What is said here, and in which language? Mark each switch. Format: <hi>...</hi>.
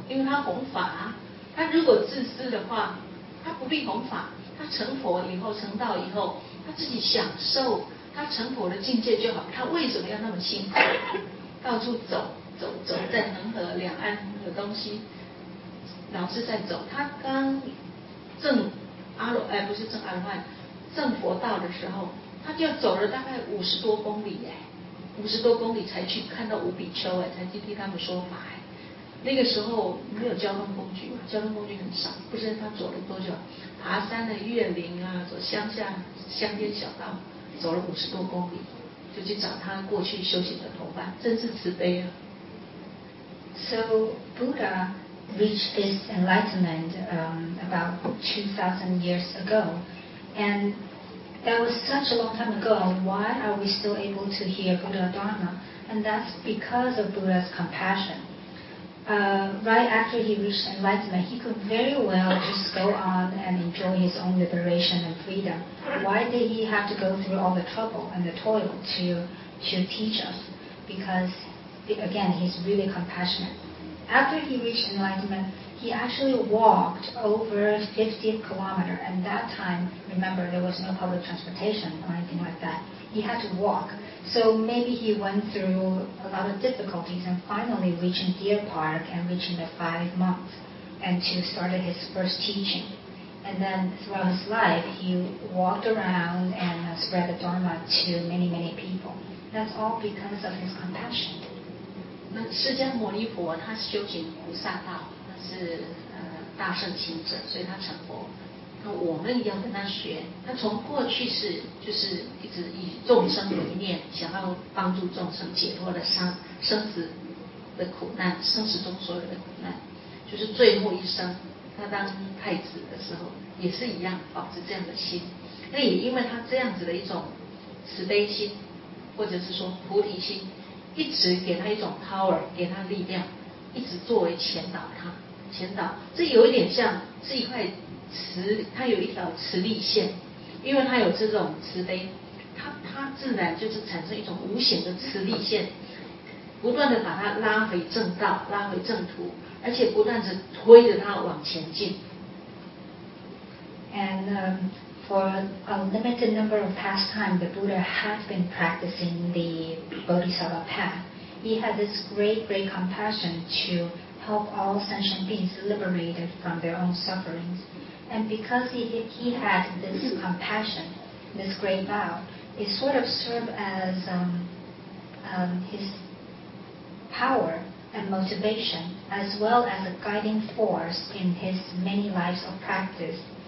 <zh>因为他弘法，他如果自私的话，他不必弘法，他成佛以后，成道以后，他自己享受他成佛的境界就好，他为什么要那么辛苦到处走在恒河两岸的东西老是在走，他刚证阿罗哎，不是证阿罗汉，正佛道的时候，他就走了大概50多公里耶，50多公里才去看到五比丘哎，才去替他们说法哎。那个时候没有交通工具嘛，交通工具很少，不知道他走了多久，爬山的越岭啊，走乡下乡间小道，走了50多公里，就去找他过去修行的同伴，真是慈悲啊。</zh> <en>So Buddha reached his enlightenment about 2000 years ago. And that was such a long time ago. Why are we still able to hear Buddha Dharma? And that's because of Buddha's compassion. Right after he reached enlightenment, he could very well just go on and enjoy his own liberation and freedom. Why did he have to go through all the trouble and the toil to teach us? Because, again, he's really compassionate. After he reached enlightenment,He actually walked over 50 kilometers. And that time, remember, there was no public transportation or anything like that. He had to walk. So maybe he went through a lot of difficulties and finally reaching Deer Park and reaching the 5 months and to start his first teaching. And then throughout his life, he walked around and spread the Dharma to many, many people. That's all because of his compassion.</en> <zh>那释迦牟尼佛他修行菩萨道是大圣行者，所以他成佛。那我们要跟他学，他从过去是就是一直以众生为念，想要帮助众生解脱的生死的苦难，生死中所有的苦难，就是最后一生他当太子的时候也是一样保持这样的心。那也因为他这样子的一种慈悲心或者是说菩提心，一直给他一种 power， 给他力量，一直作为前导，他前导，这有一点像是一块磁，它有一条磁力线，因为它有这种慈悲，它自然就是产生一种无形的磁力线，不断的把它拉回正道，拉回正途，而且不断的推着它往前进。</zh> <en>And for a limited number of pastime, the Buddha had been practicing the Bodhisattva path. He had this great compassion to help all sentient beings liberated from their own sufferings. And because he had this compassion, this great vow, it sort of served as his power and motivation, as well as a guiding force in his many lives of practice.</en>